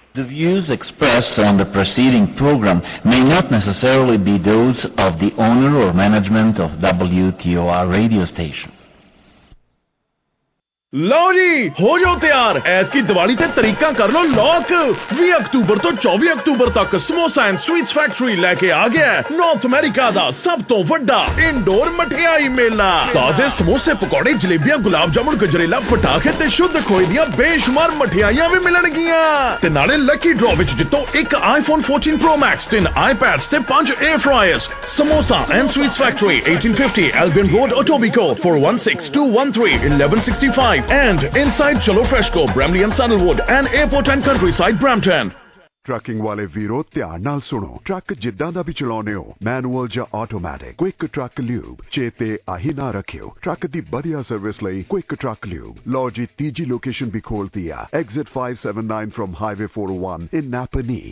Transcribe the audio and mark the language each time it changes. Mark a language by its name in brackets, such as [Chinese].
[English] The views expressed on the preceding program may not necessarily be those of the owner or management of WTOR radio station. [Punjabi] ਲਓ ਜੀ ਹੋ ਜਾਓ ਤਿਆਰ, ਐਤਕੀ ਦੀਵਾਲੀ ਤੇ ਤਰੀਕਾਂ ਕਰ ਲੋ ਲੋਕ। 20 ਅਕਤੂਬਰ ਤੋਂ 24 ਅਕਤੂਬਰ ਤੱਕ ਸਮੋਸਾ ਐਂਡ ਸਵੀਟਸ ਫੈਕਟਰੀ ਲੈ ਕੇ ਆ ਗਿਆ ਨਾਰਥ ਅਮਰੀਕਾ ਦਾ ਸਭ ਤੋਂ ਵੱਡਾ ਇਨਡੋਰ ਮਠਿਆਈ ਮੇਲਾ। ਤਾਜ਼ੇ ਸਮੋਸੇ, ਪਕੌੜੇ, ਜਲੇਬੀਆਂ, ਗੁਲਾਬ ਜਾਮੁਨ, ਗਜਰੇਲਾ, ਪਟਾਖੇ ਤੇ ਸ਼ੁੱਧ ਖੋਏ ਦੀਆਂ ਬੇਸ਼ੁਮਾਰ ਮਠਿਆਈਆਂ ਵੀ ਮਿਲਣਗੀਆਂ, ਤੇ ਨਾਲੇ ਲੱਕੀ ਡਰਾ ਵਿੱਚ ਜਿੱਤੋ 1 ਆਈਫੋਨ 14 ਪ੍ਰੋ ਮੈਕਸ, 3 ਆਈਪੈਡਸ ਤੇ 5 air ਫਰਾਇਰਸ। Samosa and sweets factory, 1850 ਐਲਬਿਨ road, ਓਟੋਬੀਕੋ, 416-213-1165, and Inside Chalo Freshco, Bramley and Sandalwood, and Airport and Countryside, Brampton. Trucking ਵਾਲੇ ਵੀਰੋ ਧਿਆਨ ਨਾਲ ਸੁਣੋ, ਟਰੱਕ ਜਿੱਦਾਂ ਦਾ ਵੀ ਚਲਾਉਂਦੇ ਹੋ, ਮੈਨੂਅਲ ਜਾਂ ਆਟੋਮੈਟਿਕ, ਕੁਇਕ ਟਰੱਕ ਲਿਊਬ ਚੇਤੇ ਆਹੀ ਨਾ ਰੱਖਿਓ, ਟਰੱਕ ਦੀ ਵਧੀਆ ਸਰਵਿਸ ਲਈ ਕੁਇਕ ਟਰੱਕ ਲਿਊਬ। ਲਓ ਜੀ ਤੀਜੀ ਲੋਕੇਸ਼ਨ ਵੀ ਖੋਲਤੀ ਆ, [English] Exit 579 from highway 401 in Napanee.